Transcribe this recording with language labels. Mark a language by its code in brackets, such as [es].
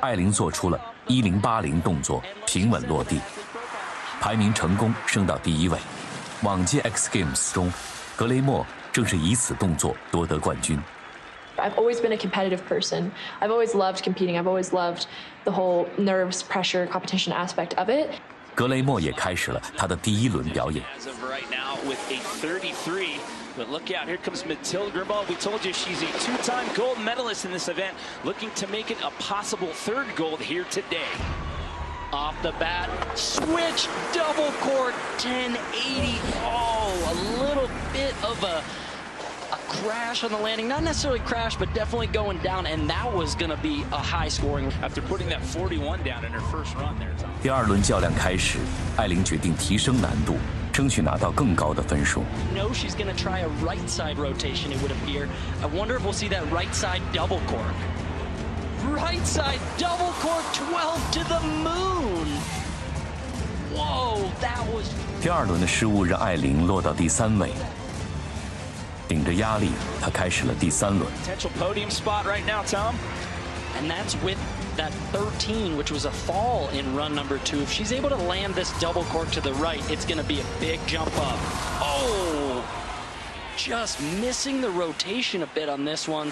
[zh] 艾琳做出了1080动作，平稳落地，排名成功升到第一位。往届 X Games 中，格雷莫正是以此动作夺得冠军。 [en] I've always been a competitive person. I've always loved competing. I've always loved the whole nerves, pressure, competition aspect of it. [zh] 格雷莫也开始了他的第一轮表演。 [en] As of right now, with a 33, but look out, here comes Mathilde Grimbald. We told you she's a two-time gold medalist in this event, looking to make it a possible third gold here today. Off the bat, switch, double cork, 1080. Oh, a little bit of a... crash on the landing, not necessarily crash, but definitely going down, and that was going to be a high scoring. After putting that 41 down in her first run there. [zh] 第二轮较量开始，艾琳决定提升难度，争取拿到更高的分数。 [en] No, she's going to try a right side rotation, it would appear. I wonder if we'll see that right side double cork. Right side double cork, 12 to the moon. Whoa, that was... [zh] 第二轮的失误让艾琳落到第三位。顶着压力，他开始了第三轮。 [en] Potential podium spot right now, Tom, and that's with that 13, which was a fall in run number two. If she's able to land this double cork to the right, it's going to be a big jump up. Oh, just missing the rotation a bit on this one.